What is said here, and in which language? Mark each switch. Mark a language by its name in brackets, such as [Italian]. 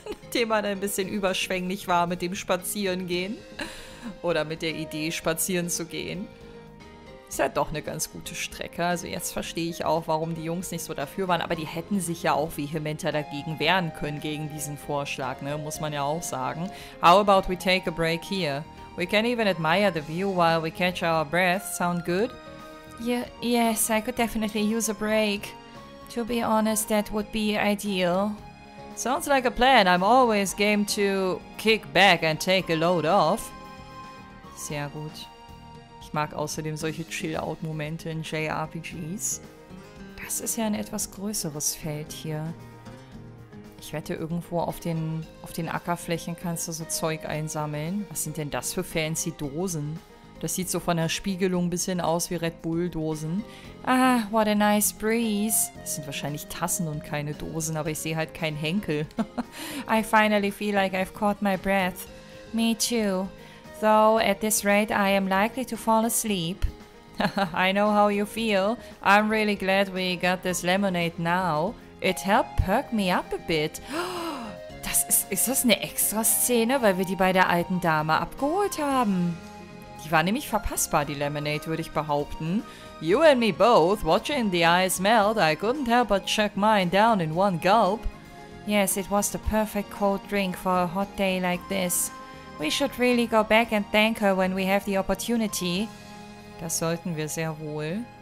[German] Nachdem man ein bisschen überschwänglich war mit dem Spazierengehen. Oder mit der Idee, spazieren zu gehen. Ist ja doch eine ganz gute Strecke. Also jetzt verstehe ich auch, warum die Jungs nicht so dafür waren. Aber die hätten sich ja auch vehementer dagegen wehren können, gegen diesen Vorschlag, ne? Muss man ja auch sagen. [English] How about we take a break here? We can even admire the view while we catch our breath. Sound good? Yes, I could definitely use a break. To be honest, that would be ideal. Sounds like a plan. I'm always game to kick back and take a load off. [German] Sehr gut. Ich mag außerdem solche Chill-Out-Momente in JRPGs. Das ist ja ein etwas größeres Feld hier. Ich wette, irgendwo auf den Ackerflächen kannst du so Zeug einsammeln. Was sind denn das für fancy Dosen? Das sieht so von der Spiegelung ein bisschen aus wie Red Bull-Dosen. [English] Ah, what a nice breeze. [German] Das sind wahrscheinlich Tassen und keine Dosen, aber ich sehe halt keinen Henkel. [English] I finally feel like I've caught my breath. Me too. Though at this rate I am likely to fall asleep. I know how you feel. I'm really glad we got this lemonade now. It helped perk me up a bit. [German] Ist das eine Extra-Szene, weil wir die bei der alten Dame abgeholt haben? Die war nämlich verpassbar, die Lemonade, würde ich behaupten. [English] You and me both, watching the ice melt, I couldn't help but chuck mine down in one gulp. Yes, it was the perfect cold drink for a hot day like this. We should really go back and thank her when we have the opportunity. [German] Das sollten wir sehr wohl.